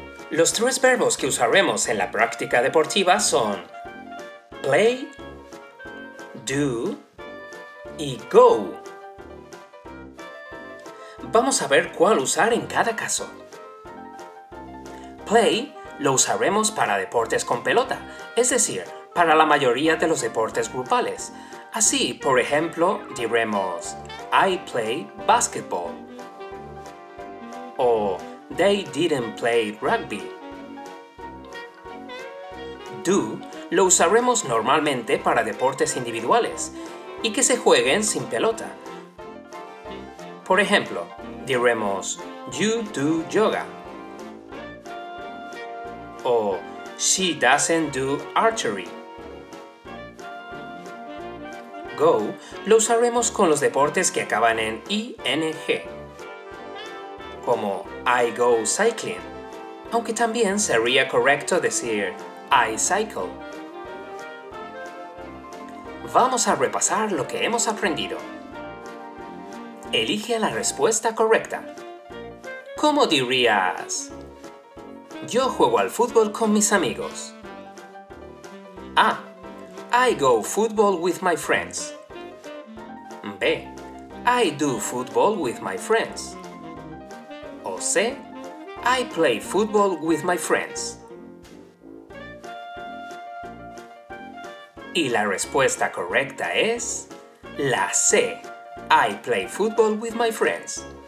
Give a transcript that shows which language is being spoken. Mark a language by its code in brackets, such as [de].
[es] Los tres verbos que usaremos en la práctica deportiva son play, do y go. Vamos a ver cuál usar en cada caso. Play lo usaremos para deportes con pelota, es decir, para la mayoría de los deportes grupales. Así, por ejemplo, diremos [en] I play basketball [es] o [en] they didn't play rugby. [es] Do lo usaremos normalmente para deportes individuales y que se jueguen sin pelota. Por ejemplo, diremos [en] you do yoga [es] o [en] she doesn't do archery. [es] Go lo usaremos con los deportes que acaban en ing, como [en] I go cycling, [es] aunque también sería correcto decir [en] I cycle. [es] Vamos a repasar lo que hemos aprendido. Elige la respuesta correcta. ¿Cómo dirías? Yo juego al fútbol con mis amigos. A. [en] I go football with my friends. B. I do football with my friends. O C. I play football with my friends. [es] Y la respuesta correcta es la C. [en] I play football with my friends.